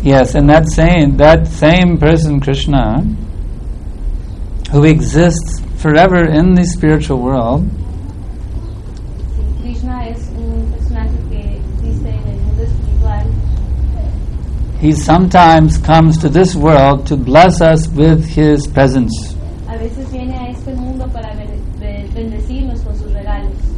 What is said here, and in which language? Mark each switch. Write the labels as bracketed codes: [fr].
[en] Yes, and that same person, Krishna, who exists forever in the spiritual world. [es] Krishna is un personaje que existe en el mundo espiritual. [en] He sometimes comes to this world to bless us with his presence. [es] A veces viene a este mundo para bendecirnos con sus regalos.